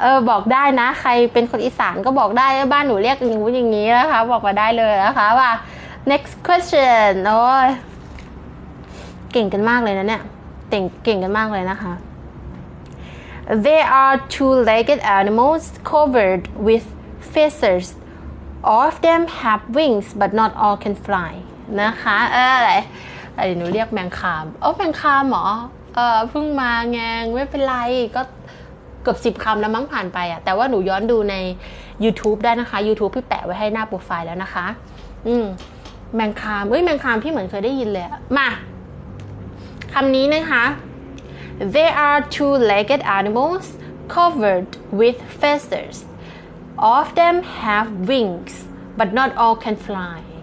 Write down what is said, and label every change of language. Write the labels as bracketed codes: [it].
[th] บอกได้นะใครเป็นคนอีสานก็บอกได้บ้านหนูเรียกอย่างนู้นอย่างนี้นะคะบอกมาได้เลยนะคะว่า [en] next question [th] โอ้ยเก่งกันมากเลยนะเนี่ยเก่งกันมากเลยนะคะ [en] There are two-legged animals covered with feathers. All of them have wings, but not all can fly. [th] นะคะอะไรหนูเรียกแมงคามโอ้แมงคามหรอเพิ่งมาไงไม่เป็นไรก็เกือบ10คำแล้วมั้งผ่านไปอะแต่ว่าหนูย้อนดูใน YouTube ได้นะคะ YouTube พี่แปะไว้ให้หน้าโปรไฟล์แล้วนะคะแมงคามเอ้ยแมงคามพี่เหมือนเคยได้ยินเลยมาคำนี้นะคะ [en] There are two-legged animals covered with feathers. All of them have wings, but not all can fly.